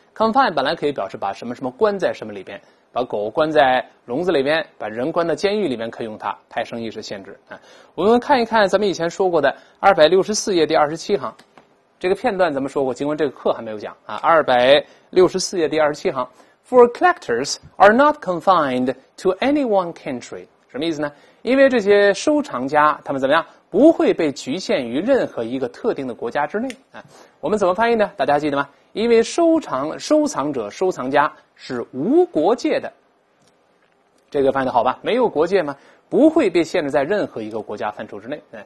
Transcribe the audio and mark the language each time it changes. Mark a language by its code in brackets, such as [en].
[zh] confine 本来可以表示把什么什么关在什么里边，把狗关在笼子里边，把人关在监狱里面可以用它，派生意是限制。我们看一看咱们以前说过的264页第27行。这个片段咱们说过，尽管这个课还没有讲啊。 264页第27行。 [en] For collectors are not confined to any one country. [zh] 什么意思呢？因为这些收藏家他们怎么样，不会被局限于任何一个特定的国家之内。我们怎么翻译呢？大家记得吗？因为收藏者收藏家是无国界的。这个翻译的好吧，没有国界吗？不会被限制在任何一个国家范畴之内。